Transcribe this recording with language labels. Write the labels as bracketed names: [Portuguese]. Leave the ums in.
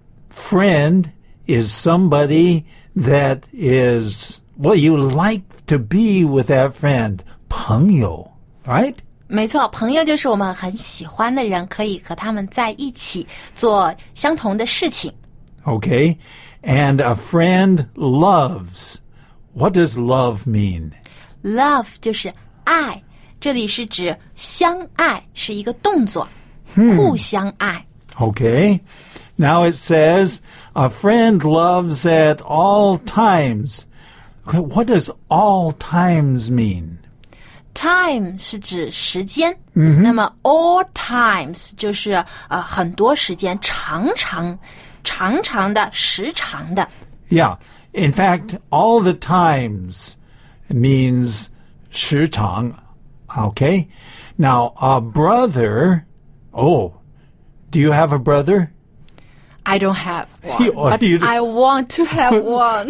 [English] Friend is somebody that is, well, you like to be with that friend. [Chinese] 朋友, [English] right? [Chinese] 没错，朋友就是我们很喜欢的人，可以和他们在一起做相同的事情。 [English] Okay and a friend loves. What does love mean? [Chinese] Love 就是爱，这里是指相爱，是一个动作，hmm. 互相爱。 [English] Okay. Now it says a friend loves at all times. Okay, what does all times mean? [Chinese] Time 是指时间，mm -hmm. 那么 all times 就是呃很多时间，常常。长长的、时长的。 [English] Yeah, in fact, all the times means 时长。 Okay, now a brother. Oh, do you have a brother? I don't have one, I want to have one.